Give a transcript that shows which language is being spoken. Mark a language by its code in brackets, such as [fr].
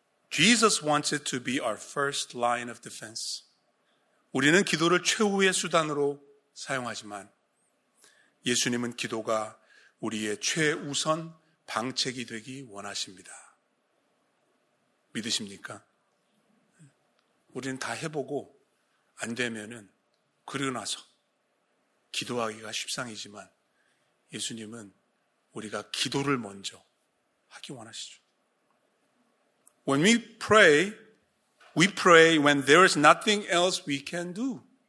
[en] Jesus wants it to be our first line of defense. [ko] 우리는 기도를 최후의 수단으로 사용하지만 예수님은 기도가 우리의 최우선 방책이 되기 원하십니다. 믿으십니까? 우리는 다 해보고 안 되면은 그리고 나서 기도하기가 쉽상이지만 예수님은 우리가 기도를 먼저 하기 원하시죠. [en] When we pray when there is nothing else we can do.